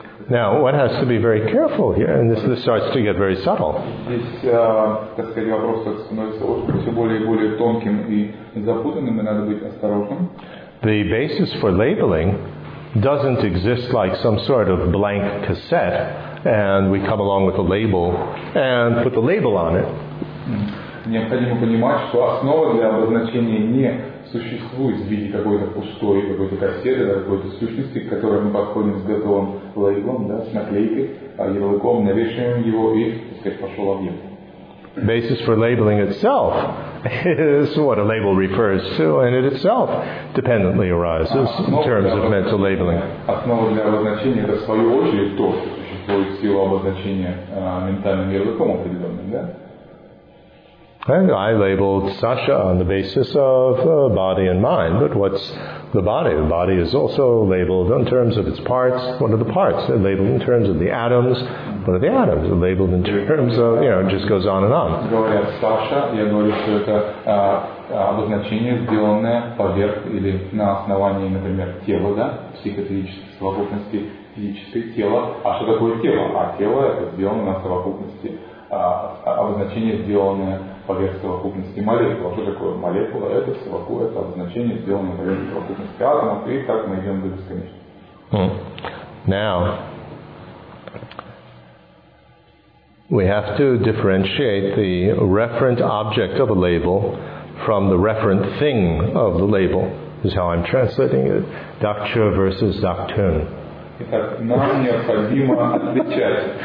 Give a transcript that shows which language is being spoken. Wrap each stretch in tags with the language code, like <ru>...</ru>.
<en>Now, one has to be very careful here, and this starts to get very subtle.</en> <ru>Здесь, так сказать, вопрос становится все более и более тонким и запутанным, и надо быть осторожным.</ru> <en>The basis for labeling doesn't exist like some sort of blank cassette, and we come along with a label and put the label on it.</en> <ru>Необходимо понимать, что основа для обозначения не существует в виде какой-то пустой, какой-то кассеты, какой-то сущности, к которой мы подходим с готовым лейблом, да, с наклейкой, а ярлыком, навешиваем его и, так сказать, пошел объект.</ru> <en>Basis for labeling itself is what a label refers to, and it itself dependently arises in terms of mental labeling.</en> <ru>Основа для обозначения — это в свою очередь то, что существует в силу обозначения ментальным языком определенным, да?</ru> <en>And I labeled Sasha on the basis of body and mind, but what's the body? The body is also labeled in terms of its parts. What are the parts? They're labeled in terms of the atoms. What are the atoms? They're labeled in terms of, you know, it just goes on and on.</en> <ru>Говоря Саша, я говорю, что это обозначение, сделанное поверх или на основании, например, тела, да, психотерической совокупности физическое тело. А что такое тело? А тело – это сделано на совокупности. Обозначение, сделанное поверх совокупности молекул. Что такое молекула? Это совокупность, это обозначение, сделанное поверх совокупности атомов, и так мы идем до бесконечности.</ru> <en>Now, we have to differentiate the referent object of a label from the referent thing of the label, is how I'm translating it. Doctrine versus doctrine.</en> <ru>Итак, нам необходимо отличать.</ru>